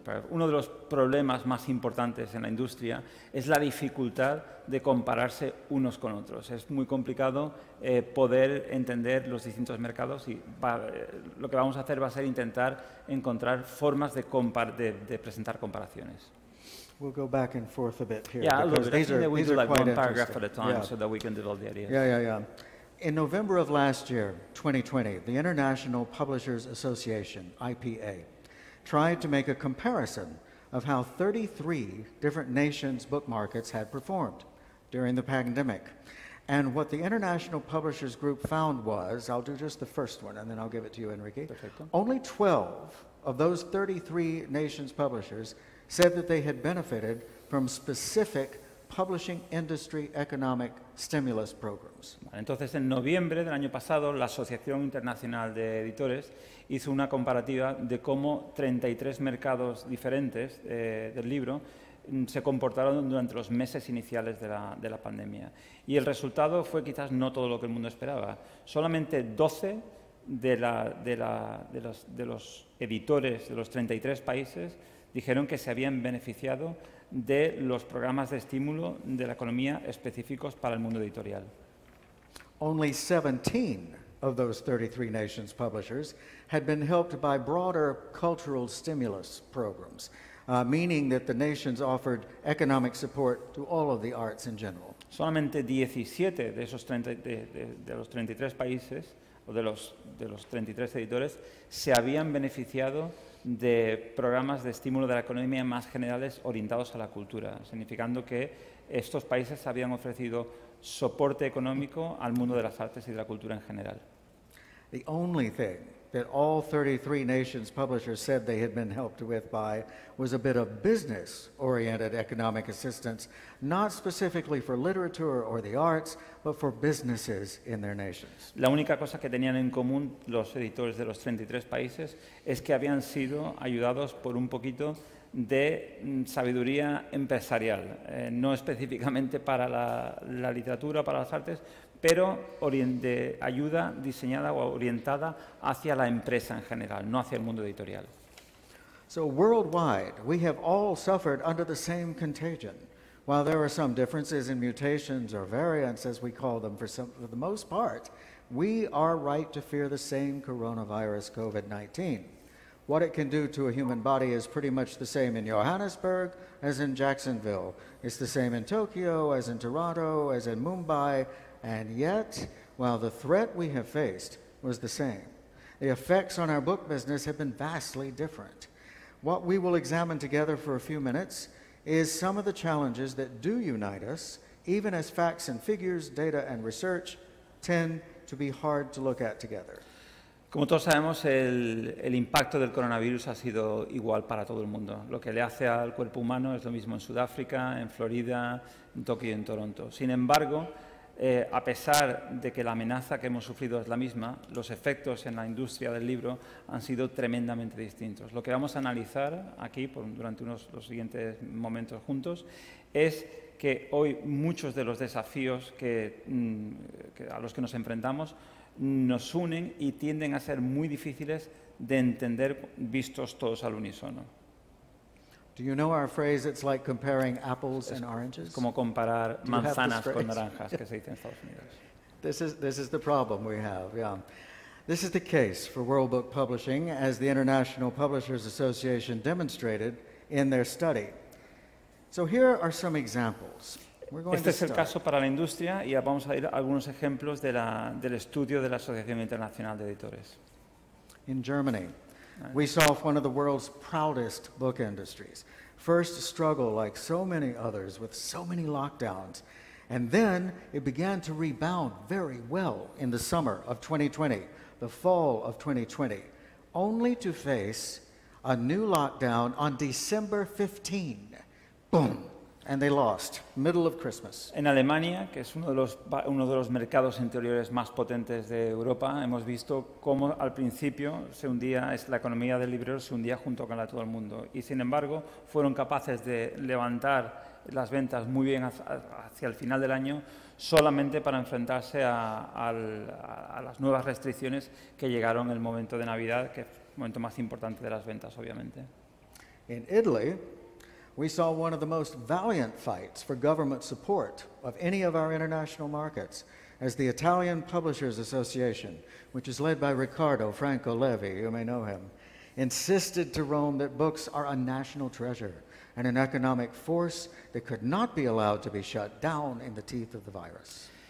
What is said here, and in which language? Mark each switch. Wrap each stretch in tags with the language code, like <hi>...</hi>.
<es>Uno de los problemas más importantes en la industria es la dificultad de compararse unos con otros. Es muy complicado poder entender los distintos mercados y lo que vamos a hacer va a ser intentar encontrar formas de presentar comparaciones.</es> <en>We'll go back and forth a bit here. Yeah, because these are one paragraph at a time, yeah, so that we can develop the ideas. Yeah. In November of last year, 2020, the International Publishers Association, IPA, tried to make a comparison of how 33 different nations' book markets had performed during the pandemic. And what the International Publishers Group found was, I'll do just the first one and then I'll give it to you, Enrique. Perfecto. Only 12 of those 33 nations' publishers said that they had benefited from specific publishing industry economic stimulus programs.</en> <es>Entonces, en noviembre del año pasado, la Asociación Internacional de Editores hizo una comparativa de cómo 33 mercados diferentes del libro se comportaron durante los meses iniciales de la pandemia. Y el resultado fue quizás no todo lo que el mundo esperaba. Solamente 12 de los editores de los 33 países dijeron que se habían beneficiado de los programas de estímulo de la economía específicos para el mundo editorial.</es> <en>Only 17 of those 33 nations publishers had been helped by broader cultural stimulus programs, meaning that the nations offered economic support to all of the arts in general.</en> <es>Solamente 17 de esos 30, de los 33 países o de los 33 editores se habían beneficiado de programas de estímulo de la economía más generales orientados a la cultura, significando que estos países habían ofrecido soporte económico al mundo de las artes y de la cultura en general.</es> <en>The only thing that all 33 nations publishers said they had been helped with by was a bit of business-oriented economic assistance, not specifically for literature or the arts, but for businesses in their nations.</en> <es>La única cosa que tenían en común los editores de los 33 países es que habían sido ayudados por un poquito de sabiduría empresarial, no específicamente para la literatura, para las artes, pero de ayuda diseñada o orientada hacia la empresa en general, no hacia el mundo editorial.</es> <en>So worldwide, we have all suffered under the same contagion. While there are some differences in mutations or variants, as we call them, for the most part, we are right to fear the same coronavirus, COVID-19. What it can do to a human body is pretty much the same in Johannesburg as in Jacksonville. It's the same in Tokyo as in Toronto as in Mumbai. And yet, while the threat we have faced was the same, the effects on our book business have been vastly different. What we will examine together for a few minutes is some of the challenges that do unite us, even as facts and figures, data and research tend to be hard to look at together.</en> <es>Como todos sabemos, el impacto del coronavirus ha sido igual para todo el mundo. Lo que le hace al cuerpo humano es lo mismo en Sudáfrica, en Florida, en Tokio y en Toronto. Sin embargo, a pesar de que la amenaza que hemos sufrido es la misma, los efectos en la industria del libro han sido tremendamente distintos. Lo que vamos a analizar aquí durante los siguientes momentos juntos es que hoy muchos de los desafíos a los que nos enfrentamos nos unen y tienden a ser muy difíciles de entender vistos todos al unísono.</es> <en>Do you know our phrase, it's like comparing apples and oranges?</en> <es>Es como comparar manzanas con naranjas, que se dice en Estados Unidos.</es> <en>This is the problem we have, yeah. This is the case for World Book Publishing, as the International Publishers Association demonstrated in their study. So here are some examples. We're going</en> <es>este to es start. El caso para la industria, y vamos a ir a algunos ejemplos de la, del estudio de la Asociación Internacional de Editores.</es> <en>In Germany, we saw one of the world's proudest book industries first struggle like so many others with so many lockdowns, and then it began to rebound very well in the summer of 2020, the fall of 2020, only to face a new lockdown on December 15. Boom! And they lost, middle of Christmas.</en> <es>En Alemania, que es uno de los mercados interiores más potentes de Europa, hemos visto cómo al principio se hundía, es la economía del libro se hundía junto con la de todo el mundo. Y sin embargo, fueron capaces de levantar las ventas muy bien hacia el final del año, solamente para enfrentarse a las nuevas restricciones que llegaron en el momento de Navidad, que es el momento más importante de las ventas, obviamente.</es> <en>In Italy, we saw one of the most valiant fights for government support of any of our international markets, as the Italian Publishers Association, which is led by Riccardo Franco Levi, you may know him, insisted to Rome that books are a national treasure and an economic force that could not be allowed to be shut down in the teeth of the virus.</en>